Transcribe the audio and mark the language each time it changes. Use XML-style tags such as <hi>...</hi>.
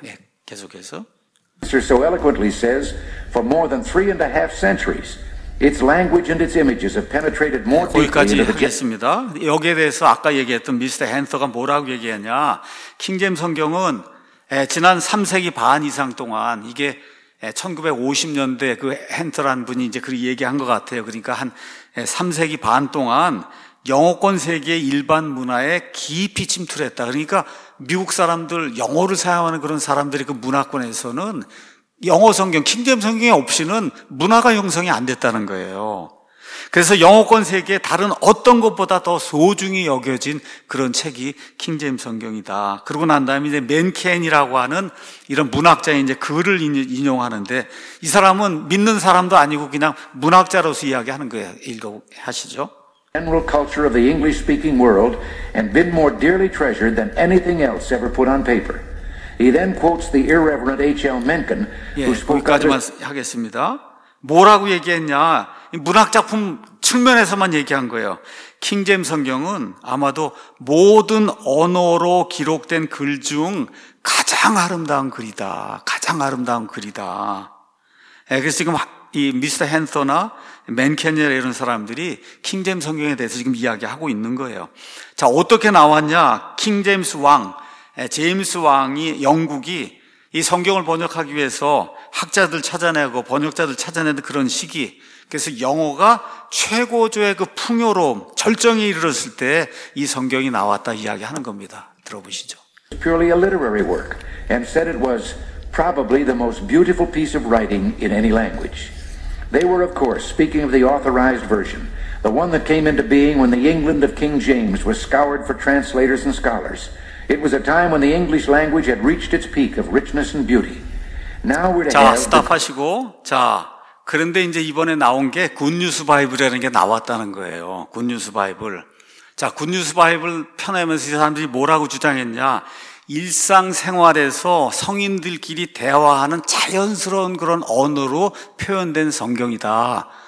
<ko>예, 계속해서.</ko> <en>Sir so eloquently says for more than three and a half centuries. Its language and its images have penetrated more deeply.</en> <ko>거기까지 하겠습니다. 여기에 대해서 아까 얘기했던 미스터 헨터가 뭐라고 얘기했냐? 킹잼 성경은 지난 3세기 반 이상 동안 이게 1950년대 그 헨터란 분이 이제 그렇게 얘기한 것 같아요. 그러니까 한 3세기 반 동안 영어권 세계의 일반 문화에 깊이 침투했다. 그러니까 미국 사람들 영어를 사용하는 그런 사람들이 그 문화권에서는 영어 성경, 킹잼 성경이 없이는 문화가 형성이 안 됐다는 거예요. 그래서 영어권 세계에 다른 어떤 것보다 더 소중히 여겨진 그런 책이 킹잼 성경이다. 그러고 난 다음에 이제 맨켄이라고 하는 이런 문학자의 이제 글을 인용하는데 이 사람은 믿는 사람도 아니고 그냥 문학자로서 이야기하는 거예요. 읽어보시죠.</ko> <en>General culture of the English speaking world and been more dearly treasured than anything else ever put on paper. He then quotes the irreverent H.L. Mencken.</en> <ko>예, 거기까지만 하겠습니다. 뭐라고 얘기했냐? 문학 작품 측면에서만 얘기한 거예요. 킹잼 성경은 아마도 모든 언어로 기록된 글 중 가장 아름다운 글이다. 가장 아름다운 글이다. 그래서 지금 이 미스터 헨터나 맨켄이나 이런 사람들이 킹잼 성경에 대해서 지금 이야기하고 있는 거예요. 자, 어떻게 나왔냐? 킹잼스 왕. 제임스 왕이 영국이 이 성경을 번역하기 위해서 학자들 찾아내고 번역자들 찾아내는 그런 시기 그래서 영어가 최고조의 그 풍요로움 절정에 이르렀을 때 이 성경이 나왔다 이야기하는 겁니다. 들어보시죠.</ko> <en>Purely a literary work and said it was probably the most beautiful piece of writing in any language. They were of course speaking of the authorized version, the one that came into being when the England of King James was scoured for translators and scholars. It was a time when the English language had reached its peak of richness and beauty. Now we're to have.</en> <ko>자, 스탑하시고. 자, 그런데 이제 이번에 나온 게 굿뉴스 바이블이라는 게 나왔다는 거예요. 굿뉴스 바이블. 자, 굿뉴스 바이블 펴내면서 이 사람들이 뭐라고 주장했냐? 일상생활에서 성인들끼리 대화하는 자연스러운 그런 언어로 표현된 성경이다.</ko>